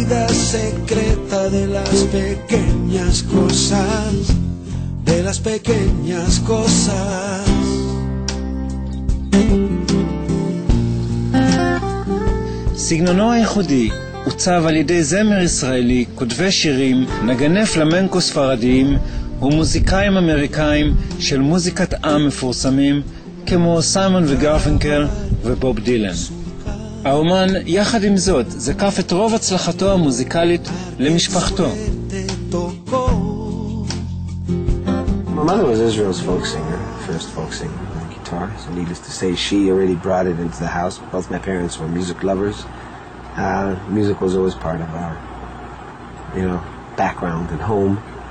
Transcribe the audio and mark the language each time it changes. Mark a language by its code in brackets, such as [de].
[es] secreta de las pequeñas cosas, de las pequeñas cosas. [he] סגנונו הייחודי עוצב על ידי זמר ישראלי, כותבי שירים, נגני פלמנקו ספרדיים ומוזיקאים אמריקאים של מוזיקת עם מפורסמים כמו סיימון וגרפינקל ובוב דילן. האומן, יחד עם זאת, זקף את רוב הצלחתו המוזיקלית למשפחתו. [en] My mother was Israel's folk singer, first folk singer on the guitar, so needless to say, she already brought it into the house. Both my parents were music lovers. Music was always part of our, you know, background at home.